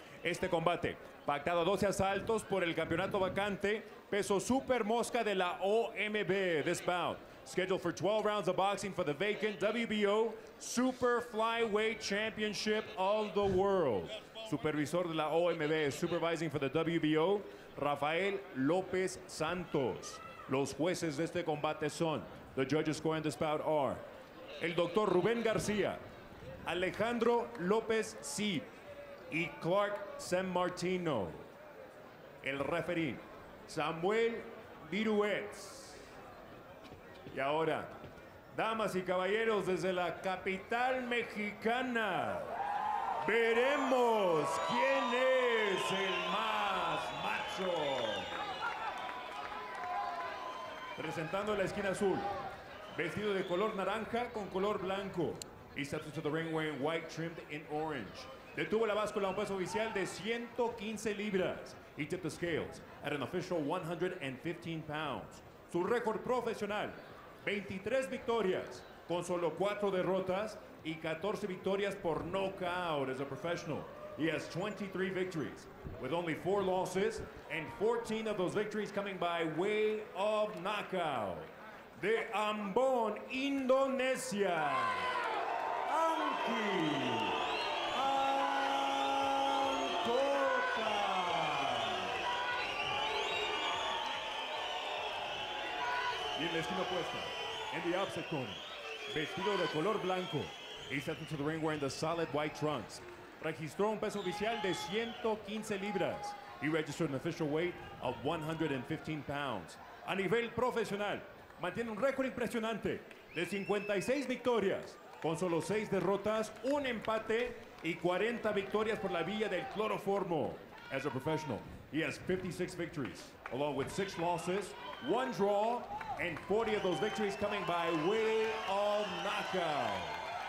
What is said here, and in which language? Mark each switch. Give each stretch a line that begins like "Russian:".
Spanish: Este combate, pactado a 12 asaltos por el campeonato vacante, peso super mosca de la OMB.
English: This bout, scheduled for 12 rounds of boxing for the vacant WBO Super Flyweight Championship of the World.
Spanish: Supervisor de la OMB,
English: supervising for the WBO,
Spanish: Rafael López Santos. Los jueces de este combate son,
English: the judges scoring this bout are,
Spanish: el doctor Rubén García, Alejandro López Cid y Clark San Martino. El referee, Samuel Viruetz. Y ahora, damas y caballeros, desde la capital mexicana, veremos quién es el más macho. Presentando la esquina azul, vestido de color naranja con color blanco.
English: He steps into the ring wearing white trimmed in orange.
Spanish: Detuvo la báscula a un peso oficial de 115 libras.
English: He tipped the scales at an official 115 pounds.
Spanish: Su récord profesional, 23 victorias con solo 4 derrotas y 14 victorias por knockout.
English: As a professional, he has 23 victories with only 4 losses and 14 of those victories coming by way of knockout.
Spanish: De Ambon, Indonesia, Angky Angkota. Y en la esquina opuesta,
English: in the opposite corner,
Spanish: vestido de color blanco,
English: he stepped into the ring wearing the solid white trunks.
Spanish: Registró un peso oficial de 115 libras.
English: He registered an official weight of 115 pounds.
Spanish: A nivel profesional, mantiene un récord impresionante de 56 victorias con solo 6 derrotas, un empate y 40 victorias por la vía del cloroformo.
English: As a professional, he has 56 victories along with 6 losses, 1 draw and 40 of those victories coming by way of knockout.